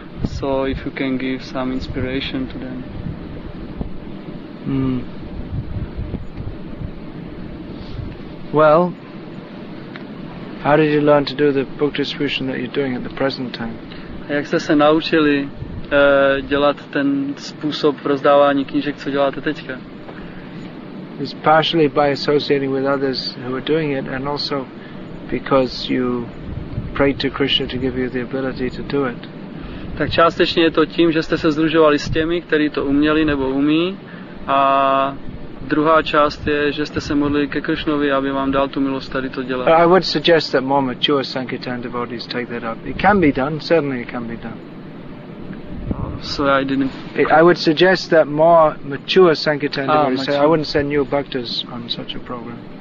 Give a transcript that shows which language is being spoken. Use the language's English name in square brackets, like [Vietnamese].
[English] So if you can give some inspiration to them. Well, how did you learn to do the book distribution that you're doing at the present time? [Czech] Jak jste se naučili dělat ten způsob rozdávání knížek, co děláte teďka? [English] It's partially by associating with others who are doing it, and also because you prayed to Krishna to give you the ability to do it. [Czech] Tak částečně je to tím, že jste se sdružovali s těmi, kteří to uměli nebo umí. A druhá část je, že jste se modlili ke Kršnovi, aby vám dal tu milost tady to dělat. [English] I would suggest that more mature Sankirtan devotees take that up. It can be done, certainly it can be done. I would suggest that more mature Sankirtan devotees say, I wouldn't send new bhaktas on such a program.